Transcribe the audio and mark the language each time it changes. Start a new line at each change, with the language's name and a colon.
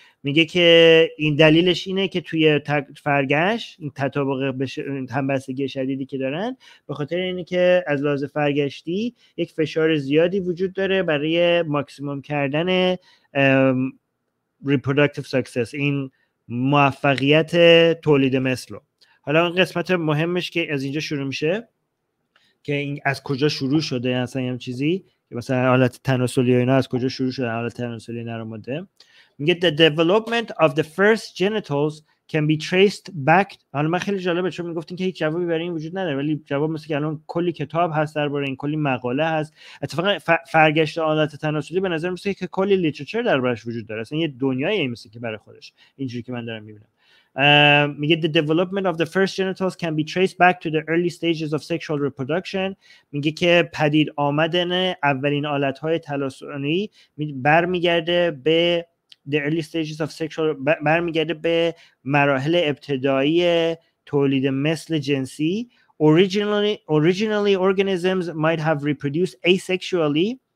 Persian: میگه که این دلیلش اینه که توی فرگشت این تطابق همبستگی شدیدی که دارن به خاطر اینه که از لحاظ فرگشتی یک فشار زیادی وجود داره برای ماکسیموم کردن
English: reproductive success،
Persian: این موفقیت تولید مثل. حالا این قسمت مهمش که از اینجا شروع میشه که این از کجا شروع شده اصلا یه چیزی که مثلا حالت تناسلی اینا از کجا شروع شده، حالت تناسلی نرماده.
English: میگه the development of the first genitals can be traced back.
Persian: حالا من خیلی جالبه چون میگفتین که هیچ جوابی برای این وجود نداره، ولی جواب مثل که الان کلی کتاب هست درباره این، کلی مقاله هست. اتفاقا فرگشت آلت تناسلی به نظر میسه که کلی لیترچر دربارش وجود داره، اصلا یه دنیایی میسه که برای خودش، اینجوری که من دارم میبینم.
English: میگه the development of the first genitals can be traced back to the early stages of sexual reproduction.
Persian: میگه که پدید آمدن اولین آلت‌های تناسلی برمیگرده به
English: the early stages of sexual،
Persian: برمیگرده به مراحل ابتدایی تولید مثل جنسی.
English: Originally organisms might have reproduced asexually.